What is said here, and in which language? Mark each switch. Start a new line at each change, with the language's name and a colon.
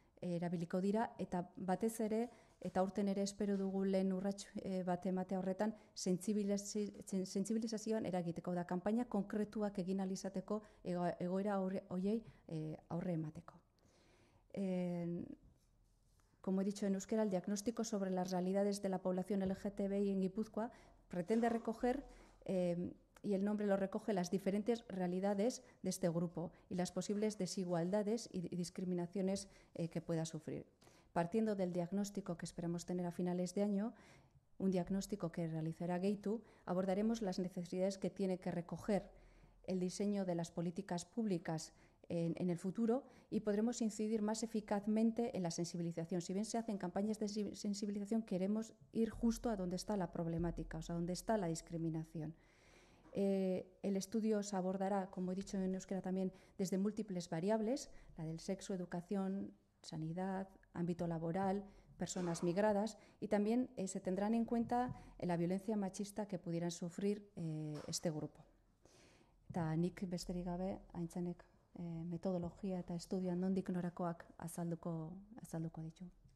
Basque: erabiliko dira, eta batez ere, eta urten ere espero dugu lehen urrats bat ematea horretan, sentsibilizazioan eragiteko da, kanpaina konkretuak egin alizateko egoera horiei aurre emateko.
Spanish: Como he dicho en euskera, el diagnóstico sobre las realidades de la población LGTBI en Gipuzkoa pretende recoger, y el nombre lo recoge, las diferentes realidades de este grupo y las posibles desigualdades y discriminaciones que pueda sufrir. Partiendo del diagnóstico que esperamos tener a finales de año, un diagnóstico que realizará Gehitu, abordaremos las necesidades que tiene que recoger el diseño de las políticas públicas en el futuro y podremos incidir más eficazmente en la sensibilización. Si bien se hacen campañas de sensibilización, queremos ir justo a donde está la problemática, o sea, donde está la discriminación. El estudio se abordará, como he dicho en euskera también, desde múltiples variables, la del sexo, educación, sanidad, ámbito laboral, personas migradas, y también se tendrán en cuenta la violencia machista que pudieran sufrir este grupo.
Basque: Eta nik besterik gabe, Aintzanek metodologia eta estudioan nondik norakoak azalduko ditu.